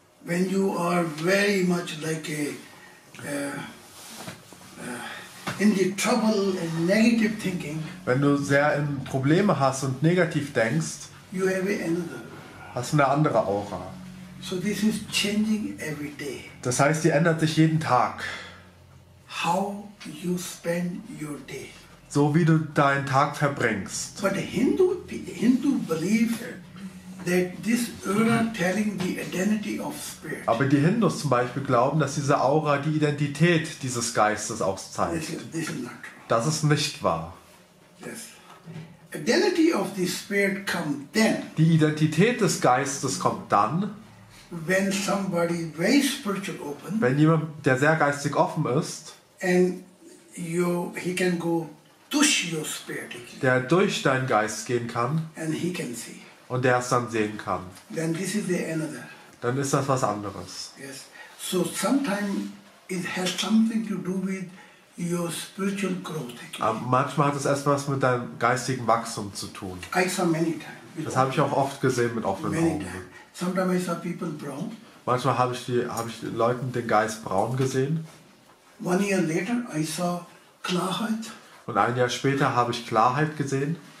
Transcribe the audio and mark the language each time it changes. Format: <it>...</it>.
<en>When you are very much like in the trouble and negative thinking,</en> <de>wenn du sehr in Probleme hast und negativ denkst,</de> <en>you have another,</en> <de>hast du eine andere Aura.</de> <en>So this is changing every day.</en> <de>Das heißt, die ändert sich jeden Tag.</de> <en>How you spend your day.</en> <de>So wie du deinen Tag verbringst.</de> <en>But the Hindu believe that this aura telling the identity of spirit.</en> <de>Aber die Hindus zum Beispiel glauben, dass diese Aura die Identität dieses Geistes auch zeigt. Das ist nicht wahr.</de> <en>Yes. Identity of the spirit comes then.</en> <de>Die Identität des Geistes kommt dann.</de> <en>When somebody very spiritual open,</en> <de>wenn jemand, der sehr geistig offen ist,</de> <en>and he can go through your spirit,</en> <de>der durch deinen Geist gehen kann,</de> <en>and he can see,</en> <de>und der es dann sehen kann,</de> <en>then this is the another,</en> <de>dann ist das was anderes.</de> <en>Yes. So sometimes it has something to do with your spiritual growth.</en> <de>Manchmal hat es etwas mit deinem geistigen Wachstum zu tun.</de> <en>I saw many times.</en> <de>Das habe ich auch oft gesehen mit offenen</de> <en>many</en> <de>Augen.</de> <en>Time. Sometimes I saw people brown.</en> <de>Manchmal habe ich den Leuten den Geist braun gesehen.</de> <en>One year later I saw Klarheit. Und ein Jahr später habe ich Klarheit gesehen.</en>